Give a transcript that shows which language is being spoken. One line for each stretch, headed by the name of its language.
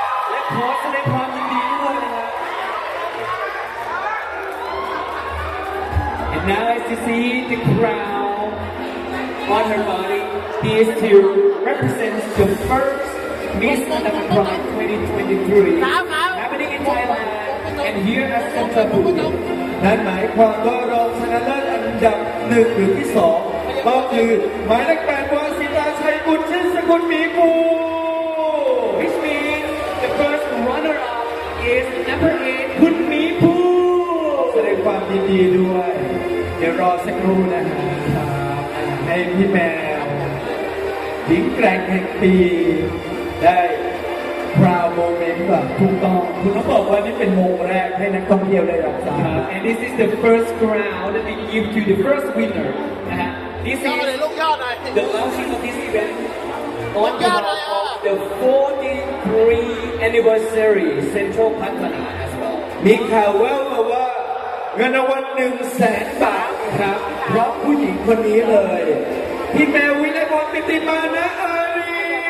Thai: และขอแสดงความยินดีด้วยนะฮะ
English: And now as you see the crowdOn her body, these two represent the first Miss Andaman Prize 2023 happening in Thailand and here at Central Phuket.
Thai: นั่นหมายความว่ารองชนะเลิศอันดับหนึ่งหรือที่สองก็คือหมายเลขแปดวาสิตาชัยบุญชื่นสกุลมีกู
English: Which means the first runner up is number 8คุณมีกู
Thai: แสดงความยินดีด้วยเดี๋ยวรอสักครู่นะฮะให้พี่แมวหญิงแกร่งแห่งปีได้พราวโมเมนต์แบบถูกต้องคุณต้องบอกว่านี่เป็นโมแรกให้นักท่องเที่ยวได้รับทราบ
English: and this is the first crown that we give to the first winner this is the launching of this event on the part of the 43 anniversary Central Pattaya as well
Thai: มีข่าวแววมาว่าเงินรางวัล 100,000 บาทครับเพราะผู้หญิงคนนี้เลยพี่แมววิไลพรปิติมานะอารี